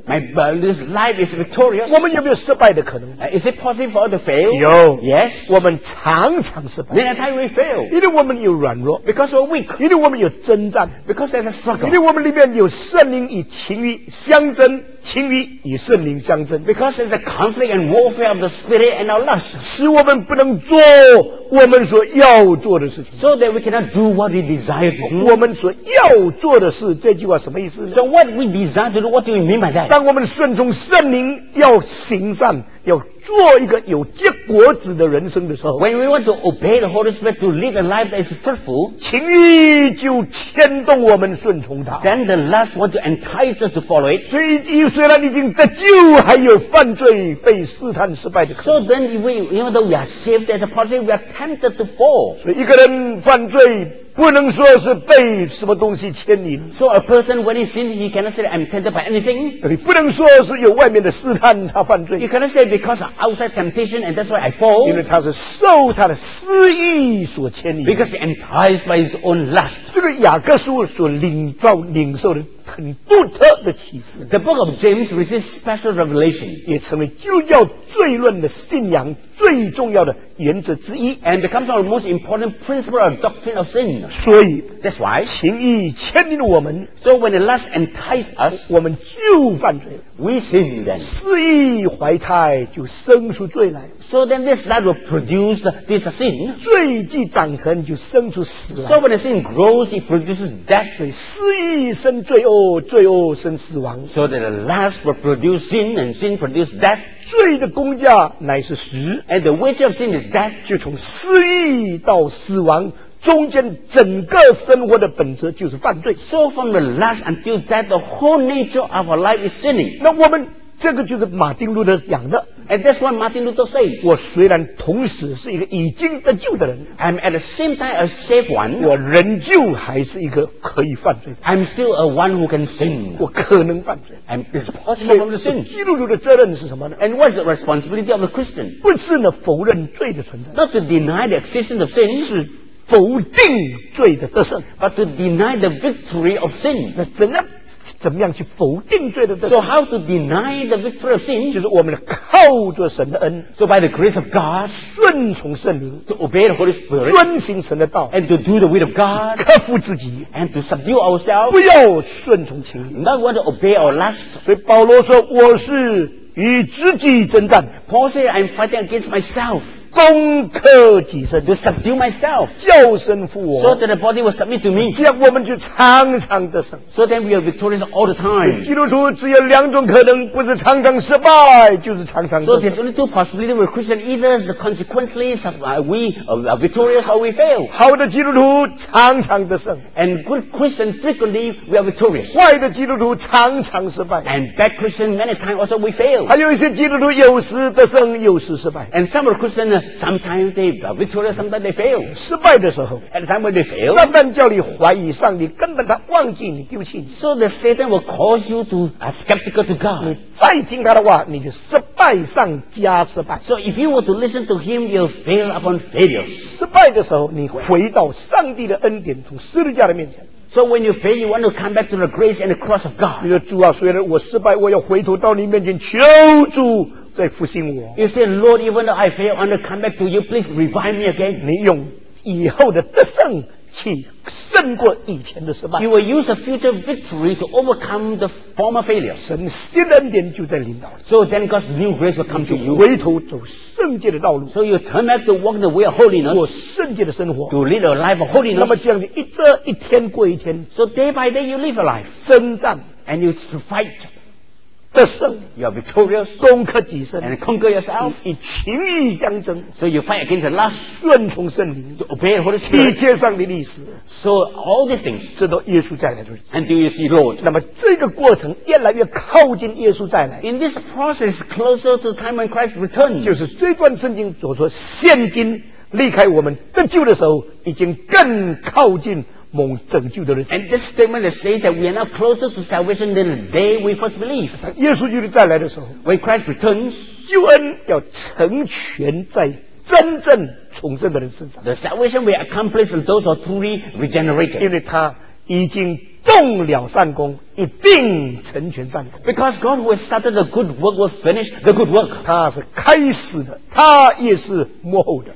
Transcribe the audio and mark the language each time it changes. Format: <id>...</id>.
<en>My life is victorious</en> <zh>我们有没有失败的可能</zh> <en>Is it possible for us to fail?</en> <zh>有</zh> <en>Yes</en> <zh>我们常常失败</zh> <en>Many times we fail</en> <zh>因为我们有软弱</zh> <en>Because we're weak</en> <zh>因为我们有征战</zh> <en>Because there's a struggle</en> <zh>因为我们里面有圣灵与情欲相争情欲与圣灵相争</zh> <en>Because there's a conflict and warfare of the spirit and our lust</en> <zh>使我们不能做我们所要做的事情</zh> <en>So that we cannot do what we desire to do</en> <zh>我们所要做的事这句话什么意思</zh> <en>So what we desire to do What do you mean by that</en> <zh>当我们顺从圣灵要行善要做一个有结果子的人生的时候</zh> <en>When we want to obey the Holy Spirit To live a life that is fruitful</en> <zh>情欲就牵动我们顺从他</zh> <en>Then the lust wants to entice us to follow it</en> <zh>所以虽然已经得救还有犯罪被试探失败的可能</zh> <en>So then even though we are saved as a person We are tempted to fall</en> <zh>所以一个人犯罪不能说是被什么东西牵引</zh> <en>So a person when he sins He cannot say I'm tempted by anything</en> <zh>你不能说是有外面的试探他犯罪</zh> <en>You cannot say because of outside temptation And that's why I fall</en> <zh>因为他是受他的私欲所牵引</zh> <en>Because he enticed by his own lust</en> <zh>这个雅各书所领受的很独特的启示</zh> <en>The book of James receives special revelation</en> <zh>也成为基督教罪论的信仰最重要的原则之一</zh> <en>And becomes our most important principle of doctrine of sin</en> <zh>所以</zh> <en>That's why</en> <zh>情欲牵引我们</zh> <en>So when the lust entices us</en> <zh>我们就犯罪</zh> <en>We sin then</en> <zh>私欲怀胎就生出罪来</zh> <en>So then this lust will produce this sin</en> <zh>罪既长成就生出死来</zh> <en>So when the sin grows it produces death</en> <zh>所以私欲生罪罪恶，罪恶生死亡。</zh> <en>So that the lust will produce sin, and sin produce death.</en> <zh>罪的工价乃是死。</zh> <en>And the wage of sin is death.</en> <zh>就从私欲到死亡，中间整个生活的本质就是犯罪。</zh> <en>So from the lust until death, the whole nature of our life is sinning.</en> <zh>那我们这个就是马丁路德讲的。</zh> <en>And that's what Martin Luther says.</en> <zh>我虽然同时是一个已经得救的人</zh> <en>I'm at the same time a saved one.</en> <zh>我仍旧还是一个可以犯罪的</zh> <en>I'm still a one who can sin.</en> <zh>我可能犯罪</zh> <en>And it's possible from the sin.</en> <zh>基督徒的责任是什么呢</zh> <en>And what's the responsibility of the Christian?</en> <zh>不是呢否认罪的存在</zh> <en>Not to deny the existence of sin.</en> <zh>是否定罪的得胜</zh> <en>But to deny the victory of sin.</en> <zh>那怎样怎么样去否定罪的得胜</zh> <en>So how to deny the victory of sin</en> <zh>就是我们靠着神的恩</zh> <en>So by the grace of God</en> <zh>顺从圣灵</zh> <en>To obey the Holy Spirit</en> <zh>遵行神的道</zh> <en>And to do the will of God</en> <zh>克服自己</zh> <en>And to subdue ourselves</en> <zh>不要顺从情欲</zh> <en>Not want to obey our lust</en> <zh>所以保罗说我是与自己征战</zh> <en>Paul said I'm fighting against myself</en> <zh>攻克己身</zh> <en>To subdue myself</en> <zh>叫声服我</zh> <en>So that the body will submit to me</en> <zh>这样我们就常常得胜</zh> <en>So then we are victorious all the time</en> <zh>基督徒只有两种可能不是常常失败就是常常得胜</zh> <en>So there's only two possibilities with Christian either the consequently we are victorious or we fail</en> <zh>好的基督徒常常得胜</zh> <en>And good Christian frequently we are victorious</en> <zh>坏的基督徒常常失败</zh> <en>And bad Christian many times also we fail</en> <zh>还有一些基督徒有时得胜有时失败</zh> <en>And some of the Christian Sometimes they victorious, sometimes they fail.</en> <zh>失败的时候</zh> <en>at the time when they fail,</en> <zh>撒旦叫你怀疑上帝，根本他忘记你，丢弃你。</zh> <en>So the Satan will cause you to a skeptical to God.</en> <zh>你再听他的话，你就失败上加失败。</zh> <en>So if you were to listen to him, you'll fail upon failures.</en> <zh>失败的时候，你回到上帝的恩典，从十字架的面前。</zh> <en>So when you fail, you want to come back to the grace and the cross of God.</en> <zh>你说主啊，虽然我失败，我要回头到你面前求主。再复兴我</zh> <en>You say Lord even though I fail I want to come back to you Please revive me again</en> <zh>你用以后的得胜去胜过以前的失败。</zh> <en>He will use a future victory to overcome the former failure.</en> <zh>神新的恩典就在领导了。</zh> <en>So then God's new grace will come to you.</en> <zh>回头走圣洁的道路。</zh> <en>So you turn back to walk the way of holiness.</en> <zh>过圣洁的生活。</zh> <en>To live a life of holiness.</en> <zh>那么这样子一这一天过一天。</zh> <en>So day by day you live a life.</en> <zh>征战。</zh> <en>And you fight.</en> <zh>得胜</zh> <en>，You are victorious，</en> <zh>攻克己身</zh> <en>，and conquer yourself，</en> <zh>以情义相争</zh> <en>，so you fight against the lust，</en> <zh>顺从圣灵</zh> <en>，to obey the Holy</en> <zh>Spirit， 体贴上帝的意思</zh> <en>，so all these things，</en> <zh>直到耶稣再来的日子</zh> <en>，until you see Lord，</en> <zh>那么这个过程越来越靠近耶稣再来</zh> <en>，in this process closer to time when Christ returns，</en> <zh>就是这段圣经所说，现今离开我们得救的时候，已经更靠近。蒙拯救的人</zh> <en>And this statement that says that we are now closer to salvation than the day we first believe.</en> <zh>耶稣基督再来的时候</zh> <en>When Christ returns,</en> <zh>救恩要成全在真正重生的人身上</zh> <en>The salvation will accomplish in those who are truly regenerated.</en> <zh>因为他已经动了善功，一定成全善功。</zh> <en>Because God who has started the good work will finish the good work.</en> <zh>他是开始的，他也是幕后的。</zh>